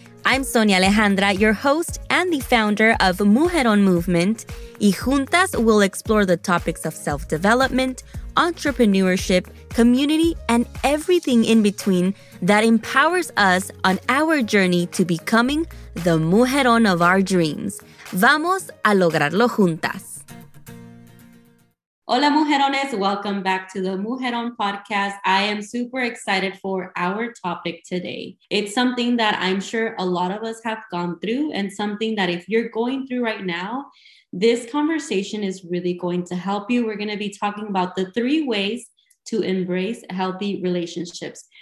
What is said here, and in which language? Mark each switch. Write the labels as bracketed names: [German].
[English] I'm Sonia Alejandra, your host and the founder of Mujeron Movement, [Spanish] y juntas [English] we'll explore the topics of self-development, entrepreneurship, community, and everything in between that empowers us on our journey to becoming the Mujeron of our dreams. [Spanish] Vamos a lograrlo juntas. [English] Hola, Mujerones. Welcome back to the Mujeron Podcast. I am super excited for our topic today. It's something that I'm sure a lot of us have gone through and something that if you're going through right now, this conversation is really going to help you. We're going to be talking about the three ways to embrace healthy relationships.